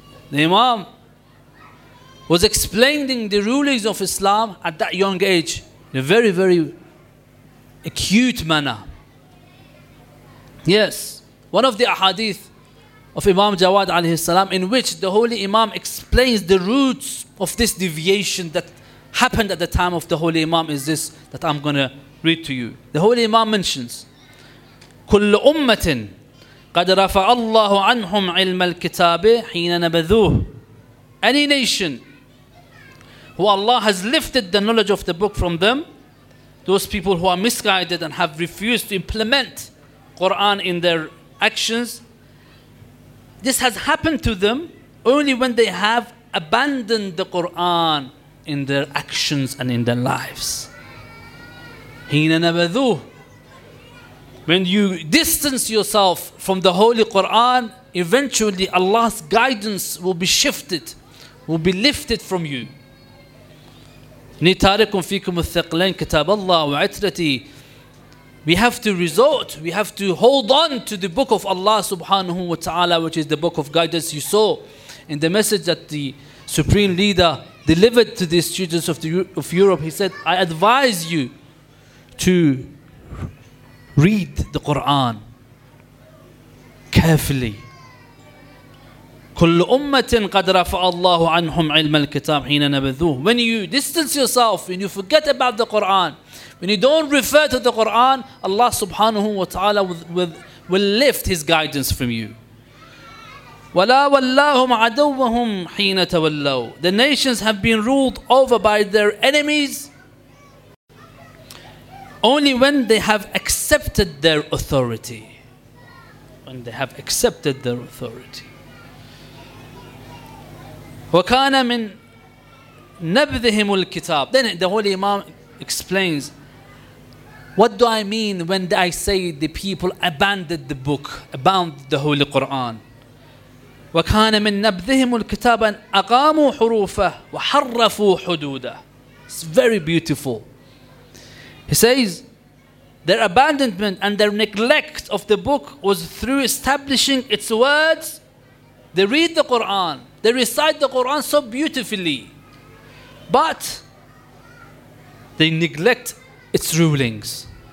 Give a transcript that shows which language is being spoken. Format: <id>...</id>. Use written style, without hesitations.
<en>The Imam was explaining the rulings of Islam at that young age in a very, very acute manner. Yes, one of the ahadith of Imam Jawad alayhi salam, in which the Holy Imam explains the roots of this deviation that happened at the time of the Holy Imam, is this that I'm going to read to you. The Holy Imam mentions,</en> <ar>كل أمة قد رفع الله عنهم علم الكتاب حين نبذوه.</ar> <en>Any nation who Allah has lifted the knowledge of the book from them, those people who are misguided and have refused to implement Quran in their actions, this has happened to them only when they have abandoned the Quran in their actions and in their lives.</en> <ar>Hina nabadhu.</ar> <en>When you distance yourself from the Holy Quran, eventually Allah's guidance will be shifted, will be lifted from you.</en> <ar>Nitarikum fikum al-thaqlain kitab Allah wa itrati.</ar> <en>We have to resort, we have to hold on to the book of Allah subhanahu wa ta'ala, which is the book of guidance. You saw in the message that the Supreme Leader delivered to the students of Europe, he said, I advise you to read the Quran carefully.</en> <ar>كل أمة قد رفع الله عنهم علم الكتاب حين نبذوه.</ar> <en>When you distance yourself, when you forget about the Quran, when you don't refer to the Quran, Allah subhanahu wa ta'ala will lift His guidance from you.</en> <ar>ولا ولاهم عدوهم حين تولوا.</ar> <en>The nations have been ruled over by their enemies only when they have accepted their authority. When they have accepted their authority.</en> <ar>وكان من نبذهم الكتاب.</ar> <en>Then the Holy Imam explains, what do I mean when I say the people abandoned the book, abandoned the Holy Quran?</en> <ar>وكان من نبذهم الكتاب أن أقاموا حروفه وحرفوا حدوده.</ar> <en>It's very beautiful. He says, their abandonment and their neglect of the book was through establishing its words. They read the Quran, they recite the Quran so beautifully, but they neglect its rulings.</en>